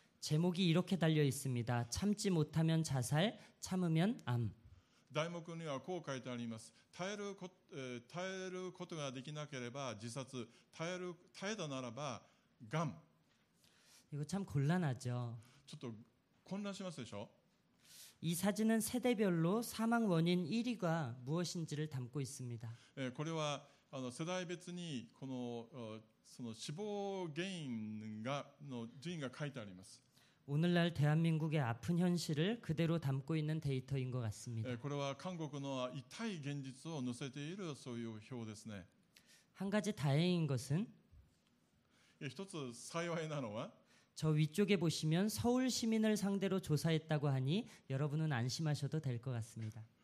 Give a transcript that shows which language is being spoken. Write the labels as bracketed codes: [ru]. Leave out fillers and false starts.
[ko] 제목이이렇게달려있습니다。 참지못하면자살참으면암。 [ja] 題目にはこう書いてあります。耐えることができなければ自殺。耐えたならば癌。 [ko] 이거참곤란하죠。 [ja] ちょっと混乱しますでしょ。 [ko] 이사진은세대별로사망원인1위가무엇인지를담고있습니다。 [ja] これは世代別にこのその死亡原因がの順位が書いてあります。 [ko] 오늘날대한민국의아픈현실을그대로담고있는데이터인것같습니다。 [ja] これは韓国の痛い現実を載せているそういう表ですね。 [ko] 한가지다행인것은 [ja] 一つ幸いなのは [ko] 저위쪽에보시면서울시민을상대로조사했다고하니여러분은안심하셔도될것같습니다。